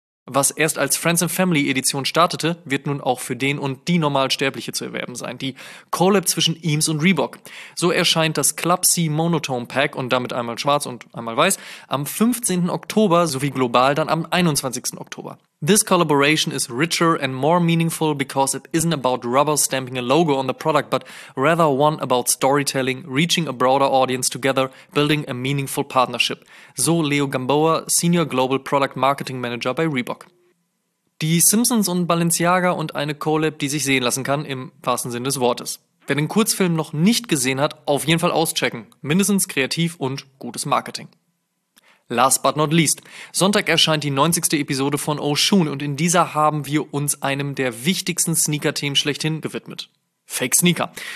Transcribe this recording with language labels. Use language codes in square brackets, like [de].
[de] Was erst als Friends and Family Edition startete, wird nun auch für den und die Normalsterbliche zu erwerben sein. Die Collab zwischen Eames und Reebok. So erscheint das Club C Monotone Pack und damit einmal schwarz und einmal weiß am 15. Oktober sowie global dann am 21. Oktober. [en] This collaboration is richer and more meaningful because it isn't about rubber stamping a logo on the product, but rather one about storytelling, reaching a broader audience together, building a meaningful partnership. [de] So Leo Gamboa, Senior Global Product Marketing Manager bei Reebok. Die Simpsons und Balenciaga und eine Collab, die sich sehen lassen kann, im wahrsten Sinne des Wortes. Wer den Kurzfilm noch nicht gesehen hat, auf jeden Fall auschecken. Mindestens kreativ und gutes Marketing. [en] Last but not least. [de] Sonntag erscheint die 90. Episode von Oshun und in dieser haben wir uns einem der wichtigsten Sneaker-Themen schlechthin gewidmet. Fake Sneaker.